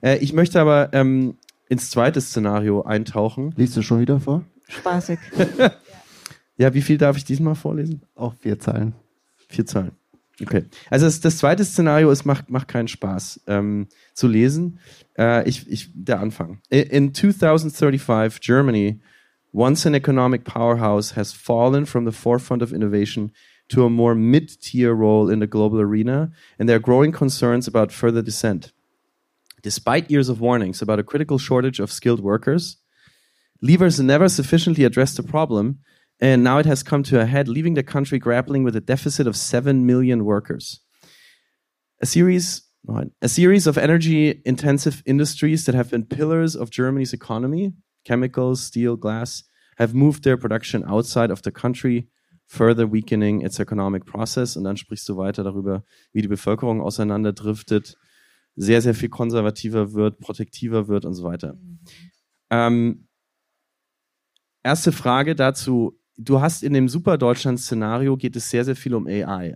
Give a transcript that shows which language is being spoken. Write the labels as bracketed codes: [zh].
[de] Ich möchte aber ins zweite Szenario eintauchen. Liest du schon wieder vor? Spaßig. Ja, wie viel darf ich diesmal vorlesen? Auch 4 Zeilen. 4 Zeilen. Okay. Also das zweite Szenario ist, macht keinen Spaß zu lesen. Der Anfang. [en] In 2035, Germany, once an economic powerhouse, has fallen from the forefront of innovation to a more mid-tier role in the global arena, and there are growing concerns about further descent. Despite years of warnings about a critical shortage of skilled workers, levers never sufficiently addressed the problem, and now it has come to a head, leaving the country grappling with a deficit of 7 million workers. A series of energy-intensive industries that have been pillars of Germany's economy, chemicals, steel, glass, have moved their production outside of the country, further weakening its economic process. [de] Und dann sprichst du weiter darüber, wie die Bevölkerung auseinanderdriftet, sehr, sehr viel konservativer wird, protektiver wird und so weiter. Erste Frage dazu. Du hast in dem Super-Deutschland-Szenario geht es sehr, sehr viel um AI.